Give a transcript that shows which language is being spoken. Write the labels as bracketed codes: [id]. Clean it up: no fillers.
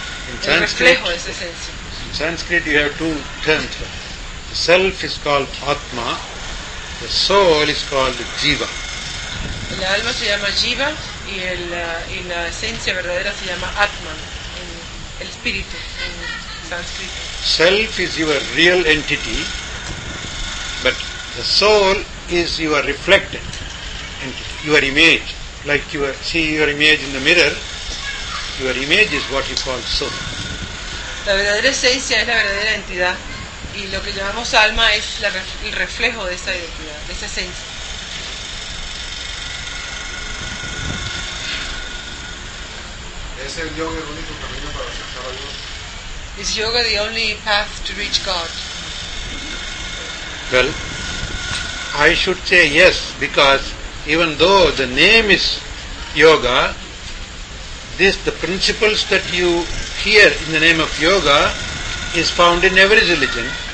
[en] In Sanskrit, you have two terms. The self is called Atma. The soul is called Jiva. [es] El alma se llama Jiva y la esencia verdadera se llama Atman, el espíritu en Sanskrit. [en] Self is your real entity, but the soul is your reflected entity, your image. Like you see your image in the mirror, your image is what you call soul. [es] La verdadera esencia es la verdadera entidad, y lo que llamamos alma es el reflejo de esa identidad, de esa esencia. ¿Es el yoga el único camino para acercar a Dios? [en] Is yoga the only path to reach God? Well, I should say yes, because even though the name is yoga, the principles that you hear in the name of yoga is found in every religion.